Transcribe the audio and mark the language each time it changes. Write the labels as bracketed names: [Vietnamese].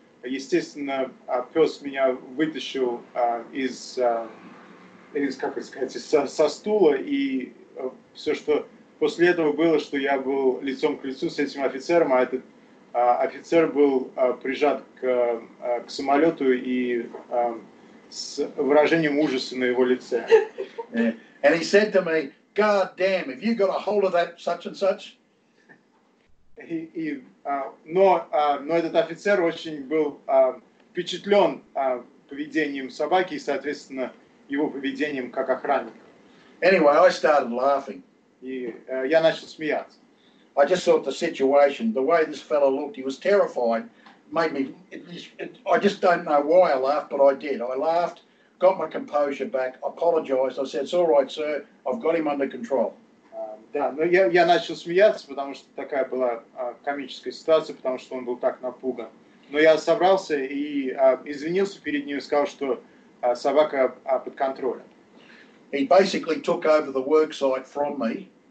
[Russian] Естественно, пес меня вытащил из, как это сказать, со стула, и все, что после этого было, что я был лицом к лицу с этим офицером, а этот офицер был прижат к самолету и с выражением ужаса на его лице. [English] Yeah. And he said to me, God damn, have you got a hold of that such and such? [Russian] Но этот офицер очень был впечатлен поведением собаки и, соответственно, его поведением как охранника. [English] Anyway, I started laughing. [Russian] Я начал смеяться. [English] I just thought the situation, the way this fellow looked, he was terrified, made me, I just don't know why I laughed, but I did. I laughed, got my composure back, apologized. I said, it's all right, sir, I've got him under control. [Russian] Я начал смеяться, потому что такая была комическая ситуация, потому что он был так напуган. Но я собрался и извинился перед ним и сказал, что собака под контролем. [English] He basically took over the work site from me.